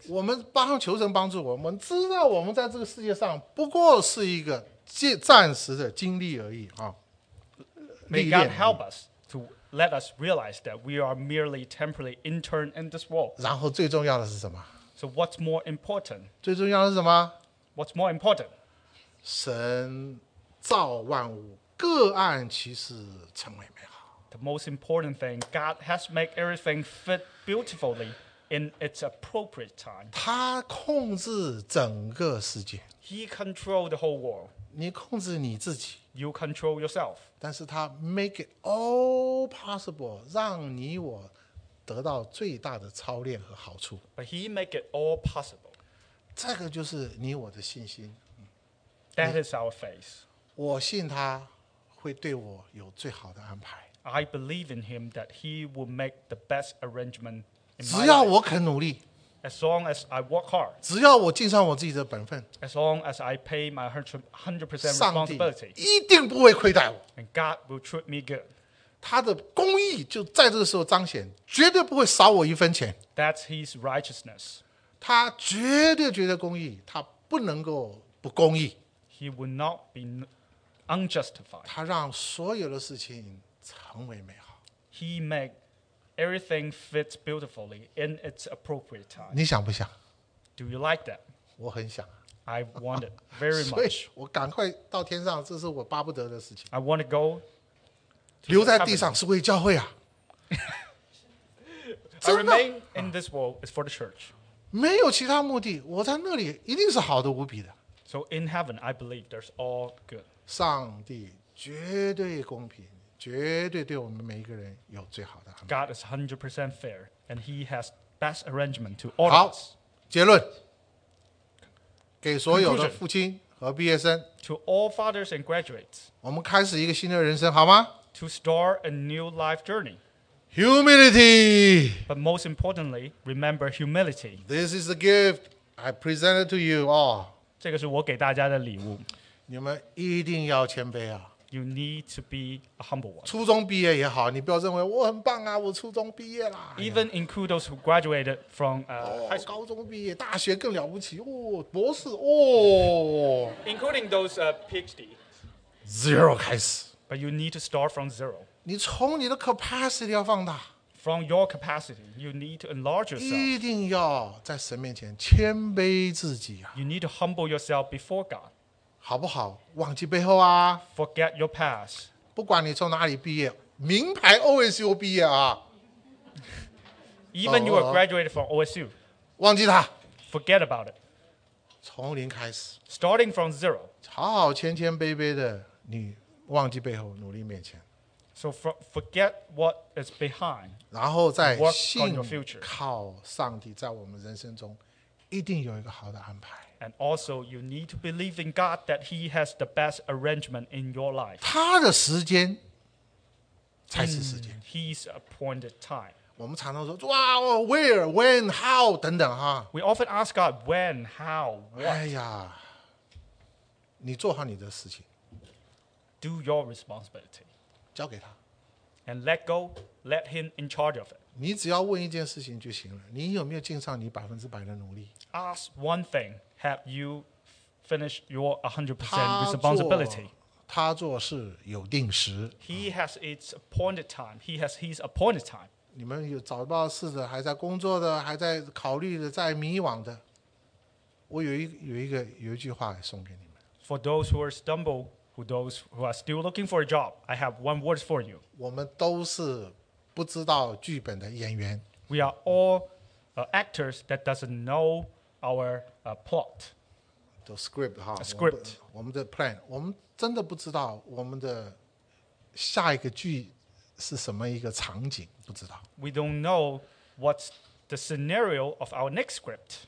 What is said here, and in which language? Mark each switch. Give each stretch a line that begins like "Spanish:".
Chinese: 我们帮求神帮助我们，知道我们在这个世界上不过是一个暂时的经历而已啊。
English: May God help us to let us realize that we are merely temporary intern in this world.
Chinese: 然后最重要的是什么
English: ？So what's more important?
Chinese: 最重要的是什么
English: ？What's more important?
Chinese: 神造万物。个案其实成为美好。
English: The most important thing, God has made everything fit beautifully in its appropriate time.
Chinese: 他控制整个世界。
English: He controls the whole world.
Chinese: 你控制你自己。
English: You control yourself.
Chinese: 但是他
English: make it all possible,
Chinese: 让你我得到最大的操练和好处。
English: But he make it all possible.
Chinese: 这个就是你我的信心。
English: That is our faith.
Chinese: 我信他。会对我有最好的安排。
English: I believe in him that he will make the best arrangement.
Chinese: 只要我肯努力。
English: As long as I work hard.
Chinese: 只要我尽上我自己的本分。
English: As long as I pay my 100% responsibility.
Chinese: 上帝一定不会亏待我。
English: And God will treat me good.
Chinese: 他的公义就在这个时候彰显，绝对不会少我一分钱。
English: That's his righteousness.
Chinese: 他绝对绝对公义，他不能够不公义。
English: He will not be. Unjustified.
Chinese: 他让所有的事情成为美好。
English: He made everything fit beautifully in its appropriate time.
Chinese: 你想不想
English: ？Do you like that?
Chinese: 我很想。
English: I want it very much.
Chinese: 我赶快到天上，这是我巴不得的事情。
English: I want to go.
Chinese: 留在地上是为教会啊！
English: I remain in this world is for the church.
Chinese: 没有其他目的，我在那里一定是好的无比的。
English: So in heaven, I believe there's all good.
Chinese: 上帝绝对公平，绝对对我们每一个人有最好的安排。
English: God is 100% fair, and He has best arrangement to all of us.
Chinese: 好，结论，给所有的父亲和毕业生。
English: To all fathers and graduates.
Chinese: 我们开始一个新的人生，好吗
English: ？To start a new life journey. Humility. But most importantly, remember humility. This is the gift I presented to you all.
Chinese: 这个是我给大家的礼物。你们一定要谦卑啊。
English: You need to be a humble one.
Chinese: 初中毕业也好，你不要认为我很棒啊，我初中毕业啦。
English: Even include those who graduated from high
Chinese: school. 高中毕业，大学更了不起哦，博士哦。
English: Including those PhD.
Chinese: Zero 开始。
English: But you need to start from zero.
Chinese: 你从你的 capacity 要放大。
English: From your capacity, you need to enlarge yourself.
Chinese: 一定要在神面前谦卑自己啊。
English: You need to humble yourself before God.
Chinese: 好不好？忘记背后啊
English: ！Forget your past。
Chinese: 不管你从哪里毕业，名牌 OSU 毕业啊。
English: Even you are graduated from OSU。
Chinese: 忘记它。
English: Forget about it。
Chinese: 从零开始。
English: Starting from zero。
Chinese: 好好谦谦卑卑的，你忘记背后，努力面前。
English: So forget what is behind。
Chinese: 然后再信靠上帝，在我们人生中一定有一个好的安排。
English: And also, you need to believe in God that He has the best arrangement in your life.
Chinese: 他的时间才是时间。
English: His appointed time.
Chinese: 我们常常说，哇 ，
English: where, when, how
Chinese: 等等哈。
English: We often ask God when, how, what.
Chinese: 哎呀，你做好你的事情。
English: Do your responsibility.
Chinese: 交给他。
English: And let go, let Him in charge of it.
Chinese: 你只要问一件事情就行了。你有没有尽上你百分之百的努力
English: ？Ask one thing. Have you finished your 100% responsibility?
Chinese: 他做事有定时。
English: He has its appointed time. He has his appointed time.
Chinese: 你们有找到事的，还在工作的，还在考虑的，在迷惘的。我有一句话送给你们。
English: For those who are stumbled, who those who are still looking for a job, I have one word for you.
Chinese: 我们都是不知道剧本的演员。
English: We are all actors that doesn't know our plot. The script, a script.
Chinese: 我们的 plan, 我们真的不知道我们的下一个剧是什么一个场景，不知道。
English: We don't know what's the scenario of our next script.